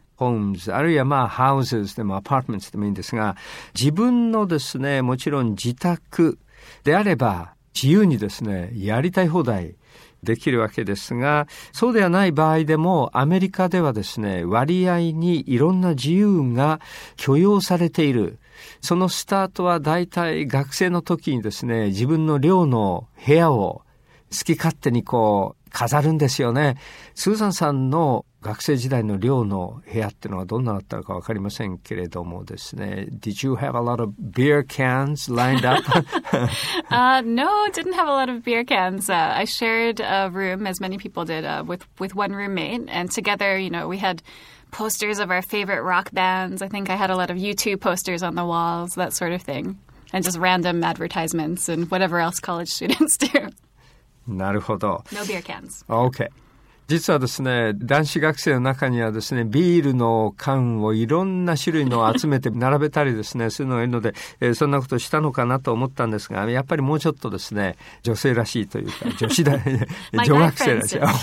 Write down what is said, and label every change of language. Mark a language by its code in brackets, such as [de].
[ja] homes、あるいはまあ houses でも apartments でもいいんですが、自分のですね、もちろん自宅であれば自由にですね、やりたい放題できるわけですが、そうではない場合でもアメリカではですね、割合にいろんな自由が許容されている。そのスタートはだいたい学生の時にですね、自分の寮の部屋を好き勝手にこう飾るんですよね。スーザンさんの学生時代の寮の部屋っていうのはどんなだったのか分かりませんけれどもですね。 [en] Did you have a lot of beer cans lined up? No, didn't have a lot of beer cans. I shared a room, as many people did, with one roommate. And together, you know, we had posters of our favorite rock bands. I think I had a lot of U2 posters on the walls, that sort of thing. And just random advertisements and whatever else college students do. [ja] なるほど。 [en] No beer cans. Okay. [ja] 実はですね、男子学生の中にはですね、ビールの缶をいろんな種類のを集めて並べたりですね、するのがいいので、そんなことしたのかなと思ったんですが、やっぱりもうちょっとですね、女性らしいというか、女子大、女学生らしい。